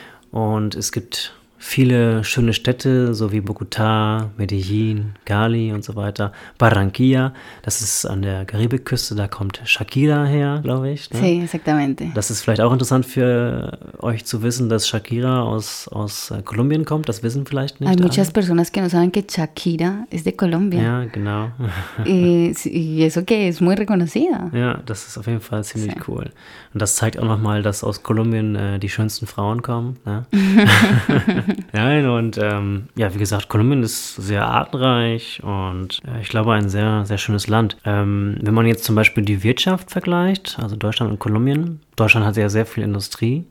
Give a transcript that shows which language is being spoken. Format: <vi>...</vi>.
<de>Und es gibt viele schöne Städte, so wie Bogotá, Medellín, Cali und so weiter. Barranquilla, das ist an der Karibikküste, da kommt Shakira her, glaube ich,</de> <es>Sí,</es> <de>ne?</de> <es>exactamente.</es> <de>Das ist vielleicht auch interessant für euch zu wissen, dass Shakira aus Kolumbien kommt. Das wissen vielleicht</de> <es>Hay</es> <de>nicht</de> <es>muchas</es> <de>alle.</de> <es>personas que no saben que Shakira es de Colombia.</es> <de>Ja, genau.</de> <es>Y eso que es muy reconocida.</es> <de>Ja, das ist auf jeden Fall ziemlich</de> <es>Sí.</es> <de>cool. Und das zeigt auch nochmal, dass aus Kolumbien die schönsten Frauen kommen, ne? Nein, und ja, wie gesagt, Kolumbien ist sehr artenreich und ich glaube, ein sehr, sehr schönes Land. Wenn man jetzt zum Beispiel die Wirtschaft vergleicht, also Deutschland und Kolumbien, Deutschland hat sehr, sehr viel Industrie.</de>